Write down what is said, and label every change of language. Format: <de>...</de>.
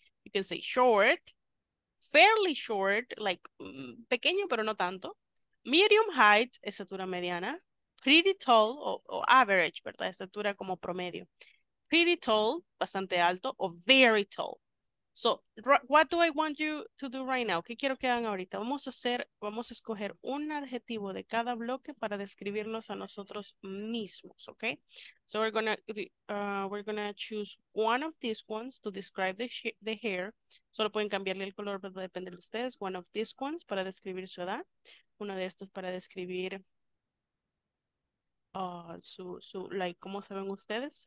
<en>You can say short, fairly short, like</en> <es>pequeño pero no tanto.</es> <en>Medium height,</en> <es>estatura mediana.</es> <en>Pretty tall o average, ¿verdad?</en> <es>Estatura como promedio. Pretty tall, bastante alto, o very tall.</es> <en>So, what do I want you to do right now?</en> <es>¿Qué quiero que hagan ahorita? Vamos a escoger un adjetivo de cada bloque para describirnos a nosotros mismos, okay?</es> <en>So, we're gonna choose one of these ones to describe the hair.</en> <es>Solo pueden cambiarle el color, pero depende de ustedes.</es> <en>One of these ones</en> <es>para describir su edad. Uno de estos para describir su like, ¿cómo se ven ustedes?</es>